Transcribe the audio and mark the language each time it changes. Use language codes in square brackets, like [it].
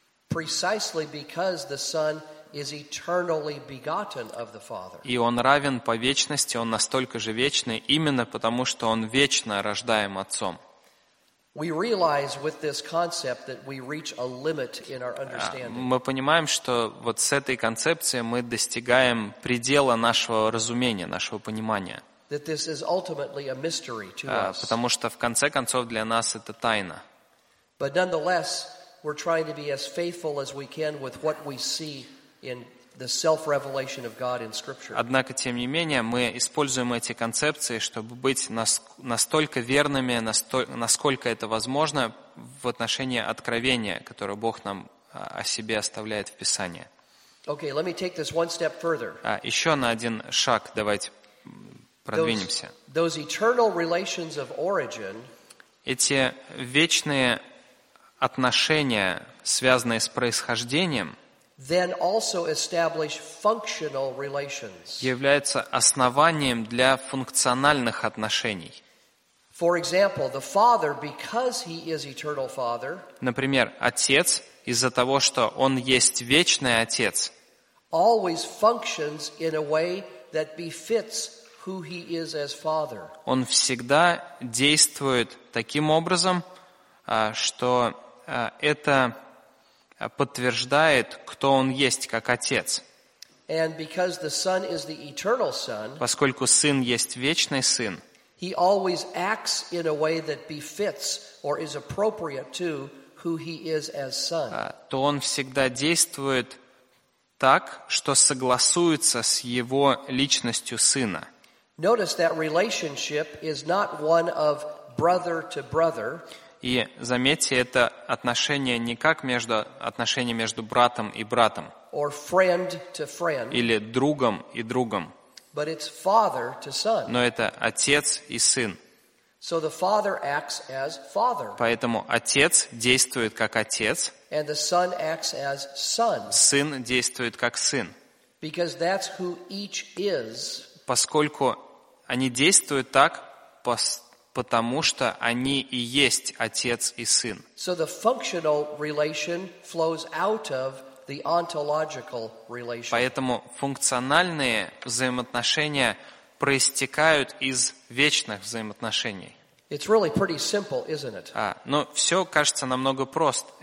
[en] Precisely because the Son is eternally begotten of the Father. [ru] И Он равен по вечности, Он настолько же вечный, именно потому, что Он вечно рождаем Отцом. [en] We realize with this concept that we reach a limit in our understanding. [ru] Мы понимаем, что вот с этой концепцией мы достигаем предела нашего разумения, нашего понимания. [en] That this is ultimately a mystery to us. [ru] Потому что в конце концов для нас это тайна. [en] But nonetheless, we're trying to be as faithful as we can with what we see in the self-revelation of God in Scripture. [ru] Однако, тем не менее, мы используем эти концепции, чтобы быть настолько верными, насколько это возможно в отношении откровения, которое Бог нам о себе оставляет в Писании. [en] Okay, let me take this one step further. [ru] Еще на один шаг давайте продвинемся. [en] Those eternal relations of origin, [ru] эти вечные отношения, связанные с происхождением, [en] then also establish functional relations. [ru] Является основанием для функциональных отношений. [en] For example, the Father, because He is eternal Father. [ru] Например, Отец из-за того, что Он есть вечный Отец. [en] Always functions in a way that befits who He is as Father. [ru] Он всегда действует таким образом, что это подтверждает, кто Он есть, как Отец. [en] And because the Son is the eternal Son, [ru] поскольку Сын есть вечный Сын, [en] He always acts in a way that befits or is appropriate to who He is as Son. [ru] То Он всегда действует так, что согласуется с Его личностью Сына. [en] Notice that relationship is not one of brother to brother. [ru] И заметьте, это отношение не как между, отношение между братом и братом. [en] Or friend to friend. [ru] Или другом и другом. [en] But it's father to son. [ru] Но это отец и сын. [en] So the father acts as father. [ru] Поэтому отец действует как отец. [en] And the son acts as son. [ru] Сын действует как сын. [en] Because that's who each is. [ru] Поскольку они действуют так, потому что они и есть Отец и Сын. [en] So the functional relation flows out of the ontological relation. [ru] Поэтому функциональные взаимоотношения проистекают из вечных взаимоотношений. [en] It's really pretty simple, isn't it? [ru] Но все кажется намного просто.